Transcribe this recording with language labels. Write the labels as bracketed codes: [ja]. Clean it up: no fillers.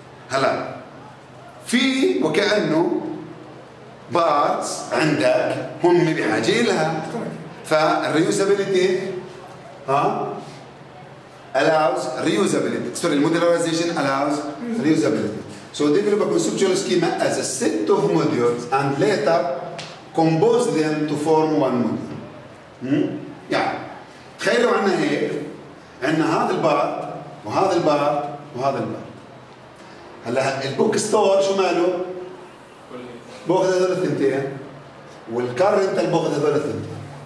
[ar] هلا في وكانه بارتس عندك هم بحاجه لها، فالريوزابيلتي ها [en] allows reusability، sorry modularization allows reusability. So develop a conceptual schema as a set of modules and later compose them to form one module. [ar] يعني تخيلوا عنا هيك، عنا هذا البار وهذا البار وهذا البار. هلا البوك ستور شو ماله؟ باخذ هذول الثنتين، والكارنت باخذ هذول الثنتين.